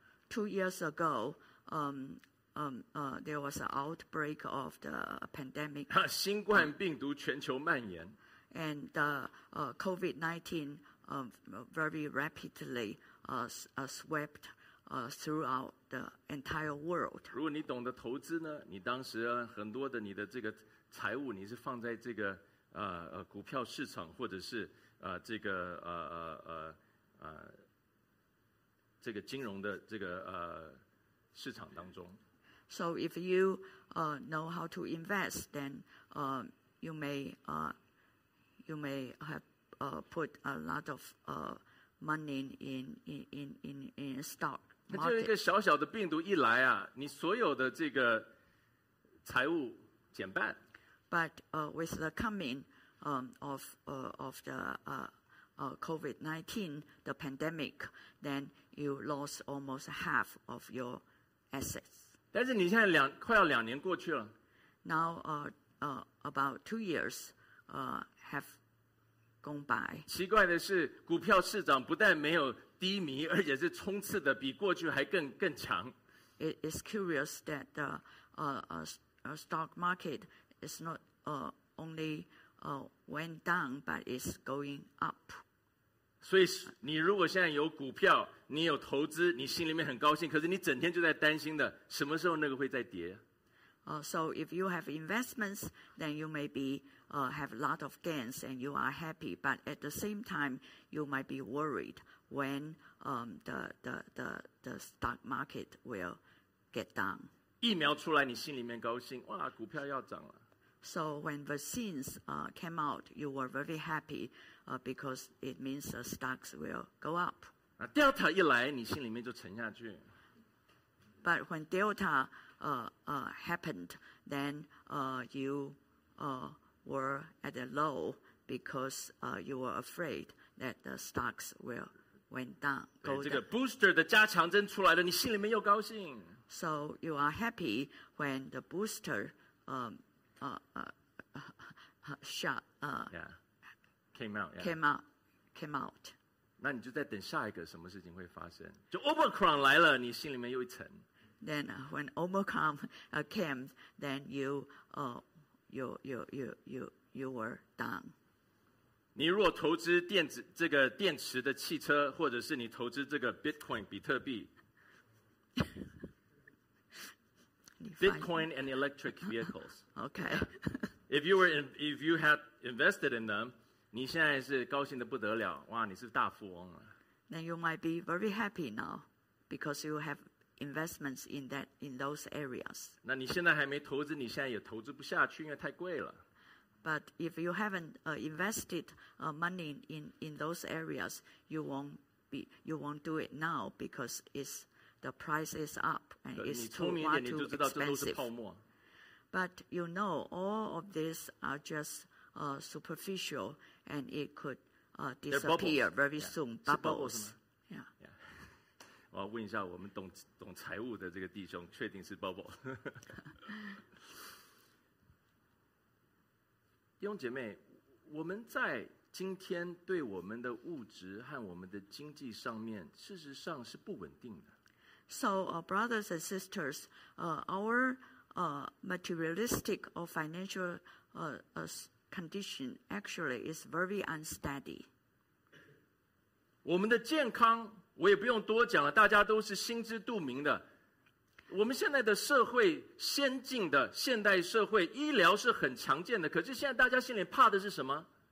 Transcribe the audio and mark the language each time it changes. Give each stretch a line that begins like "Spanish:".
English: 2 years ago,there was an outbreak of the pandemic.
Chinese: 新冠病毒全球蔓延。
English: And COVID-19 very rapidly swept throughout the entire world.
Chinese: 如果你懂得投资呢，你当时很多的你的这个财务，你是放在这个股票市场，或者是这个这个金融的这个市场当中。
English: So if you know how to invest, then you may have put a lot of money in stock market.
Chinese: 就一个小小的病毒一来啊，你所有的这个财务减半。
English: But with the coming of the COVID-19, the pandemic, then you lost almost half of your assets.
Chinese: 但是你现在快要两年过去了。
English: Now, about 2 years, have gone by.
Chinese: 奇怪的是，股票市场不但没有低迷，而且是冲刺的比过去还更强。
English: It is curious that the stock market is not only went down, but is going up.
Chinese: 所以你如果现在有股票，你有投资，你心里面很高兴，可是你整天就在担心的，什么时候那个会再跌？
English: So if you have investments, then you may be have a lot of gains and you are happy, but at the same time, you might be worried when the stock market will get down.
Chinese: 疫苗出来，你心里面高兴，哇，股票要涨了。
English: So when vaccines came out, you were very happy because it means the stocks will go up.
Chinese: Delta 一来，你心里面就沉下去。
English: But when Delta happened, then you were at a low because you were afraid that the stocks will went down.
Chinese: 这个 booster 的加强针出来了，你心里面又高兴。
English: So you are happy when the booster came out.
Chinese: 那你就在等下一个什么事情会发生？就 Omicron 来了，你心里面又一层。
English: Then when Omicron came, then you were down.
Chinese: 你如果投资电子这个电池的汽车，或者是你投资这个 Bitcoin 比特币。
English: Bitcoin and electric vehicles. Okay. If you had invested in them,
Chinese: 你现在是高兴得不得了，哇，你是大富翁啊。
English: Then you might be very happy now because you have investments in those areas.
Chinese: 那你现在还没投资，你现在也投资不下去，因为太贵了。
English: But if you haven't invested money in those areas, you won't do it now because it's the price is up and it's too much expensive. But you know, all of these are just superficial, and it could disappear very soon. Bubbles. Yeah.
Chinese: 我要问一下我们懂财务的这个弟兄，确定是 bubble。弟兄姐妹，我们在今天对我们的物质和我们的经济上面，事实上是不稳定的。
English: So, brothers and sisters, our materialistic or financial condition actually is very unsteady.
Chinese: 我们的健康，我也不用多讲了，大家都是心知肚明的。我们现在的社会，先进的现代社会，医疗是很常见的，可是现在大家心里怕的是什么？